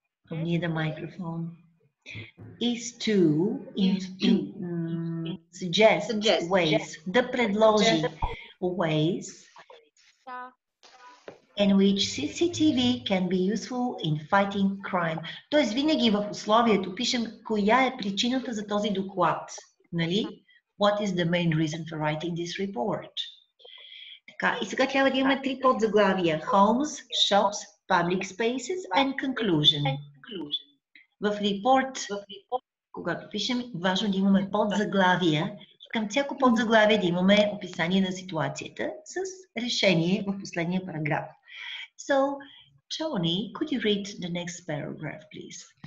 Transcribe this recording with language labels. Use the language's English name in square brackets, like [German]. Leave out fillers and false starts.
[English] Near the microphone. Is to suggest ways. [Bulgarian] Да предложи ways. [English] In which CCTV can be useful in fighting crime. [Bulgarian] Тоест винаги в условието пишем коя е причината за този доклад. Нали? [English] What is the main reason for writing this report? [Bulgarian] И сега трябва да имаме три подзаглавия. [English] Homes, shops, public spaces and conclusion. [Bulgarian] В report, когато пишем, важно да имаме подзаглавия. Към всяко подзаглавие да имаме описание на ситуацията с решение в последния параграф. [English] So, Tony, could you read the next paragraph, please?